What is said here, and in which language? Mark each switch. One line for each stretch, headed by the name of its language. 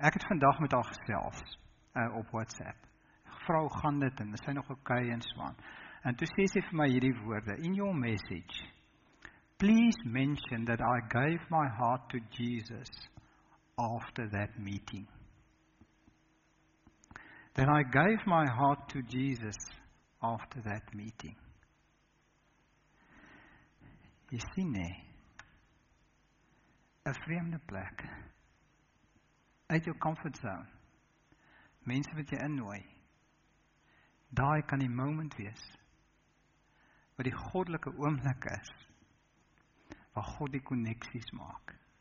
Afrikaans: Ek het vandag met haar gesels op WhatsApp. Vra hoe gaan dit en is sy nog okay en so aan. En toe sê sy vir my hierdie woorde,
English: in your message, please mention that I gave my heart to Jesus after that meeting. Then I gave my heart to Jesus after that meeting.
Afrikaans: Jy sien nie, 'n vreemde plek, uit jou comfort zone, mense wat jy innooi, daai kan die moment wees, wat die goddelike oomblik is, waar God die koneksies maak.